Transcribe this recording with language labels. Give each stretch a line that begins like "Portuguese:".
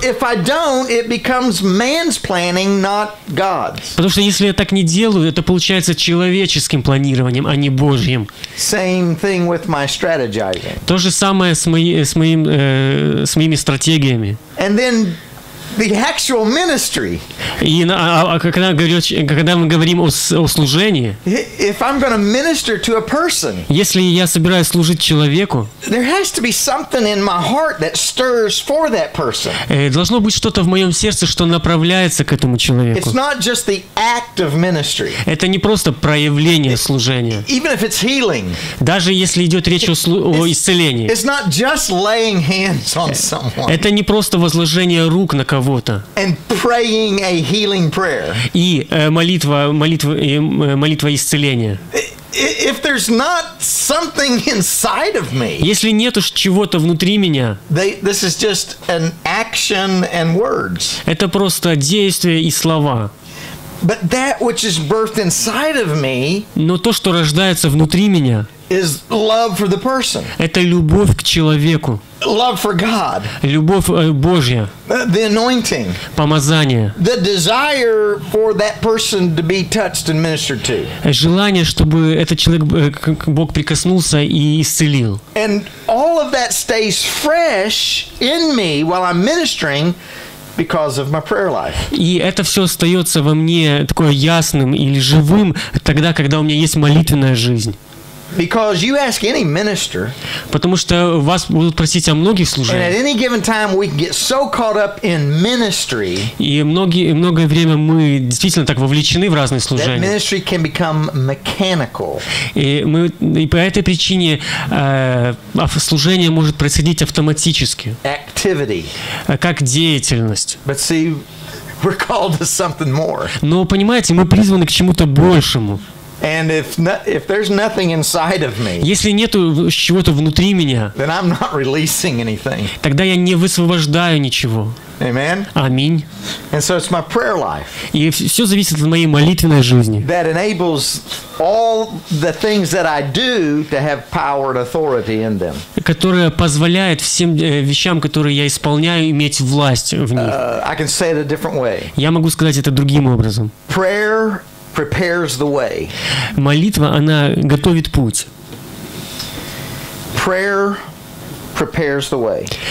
English: Or if I don't, it becomes man's planning, not God's.
Russian: Потому что если я так не делаю, это получается человеческим планированием, а не Божьим.
English: Same thing with my strategizing.
Russian: То же самое с моими стратегиями.
English: And then the actual ministry.
Russian: И когда мы говорим о служении,
English: if I'm going to minister to a person,
Russian: если я собираюсь служить человеку,
English: there has to be something in my heart that stirs for that person.
Russian: Должно быть что-то в моем сердце, что направляется к этому человеку.
English: It's not just the act of ministry.
Russian: Это не просто проявление служения.
English: Even if it's healing.
Russian: Даже если идет речь о исцелении.
English: It's not just laying hands on someone.
Russian: Это не просто возложение рук на кого-то.
English: And praying a healing prayer.
Russian: И молитва исцеления.
English: If there's not something inside of me.
Russian: Если нету чего-то внутри меня.
English: This is just an action and words.
Russian: Это просто действия и слова.
English: But that which is birthed inside of me.
Russian: Но то, что рождается внутри меня.
English: Is love for the person.
Russian: Это любовь к человеку.
English: Love for God.
Russian: Любовь Божья.
English: The anointing.
Russian: Помазание.
English: The desire for that person to be touched and ministered to.
Russian: Желание, чтобы этот человек, Бог прикоснулся и исцелил.
English: And all of that stays fresh in me while I'm ministering. Because of my prayer life.
Russian: И это все остается во мне такое ясным или живым тогда, когда у меня есть молитвенная жизнь.
English: Because you ask any minister.
Russian: Потому что вас будут просить о многих служениях.
English: And at any given time we can get so caught up in ministry.
Russian: И многое время мы действительно так вовлечены в разные служения.
English: That ministry can become mechanical.
Russian: И по этой причине служение может происходить автоматически.
English: Activity.
Russian: Как деятельность.
English: But see, we're called to something more.
Russian: Но понимаете, мы призваны к чему-то большему.
English: And if there's nothing inside of me,
Russian: если нету чего-то внутри меня,
English: then I'm not releasing anything.
Russian: Тогда я не высвобождаю ничего.
English: Amen.
Russian: Аминь.
English: And so it's my prayer life.
Russian: И все зависит от моей молитвенной жизни.
English: That enables all the things that I do to have power and authority in them.
Russian: Которая позволяет всем вещам, которые я исполняю, иметь власть в них.
English: I can say it a different way.
Russian: Я могу сказать это другим образом.
English: Prayer prepares the way.
Russian: Молитва, она готовит путь.
English: Prayer prepares the way.